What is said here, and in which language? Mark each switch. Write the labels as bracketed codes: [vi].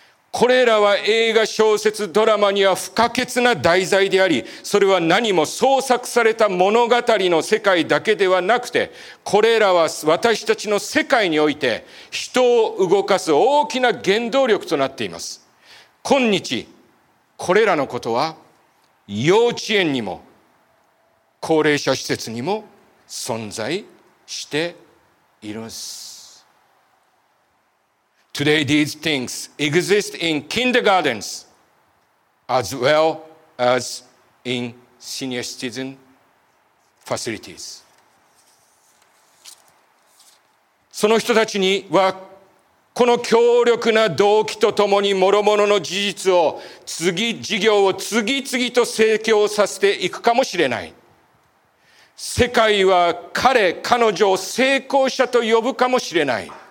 [ja] これらは映画小説ドラマには不可欠な題材であり、それは何も創作された物語の世界だけではなくて、これらは私たちの世界において人を動かす大きな原動力となっています。今日これらのことは幼稚園にも高齢者施設にも存在しているんです。 [en] Today, these things exist in kindergartens as well as in senior citizen facilities. [ja] その人たちにはこの強力な動機とともに諸々の事実を次事業を次々と成功させていくかもしれない。世界は彼彼女を成功者と呼ぶかもしれない。